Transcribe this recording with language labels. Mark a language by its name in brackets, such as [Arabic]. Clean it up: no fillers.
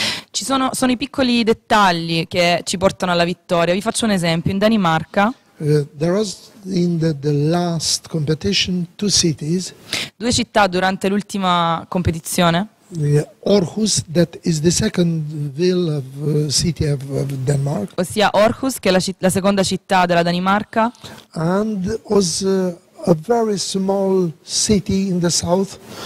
[Italian] Sono i piccoli dettagli che ci portano alla vittoria. Vi faccio un esempio. In Danimarca, [English] there was in the last competition two cities. [Italian] Due città durante l'ultima competizione. [English] Aarhus, that is the second ville of city of Denmark. [Italian] Ossia Aarhus, che è la seconda città della Danimarca. [English] And was a very small city in the south.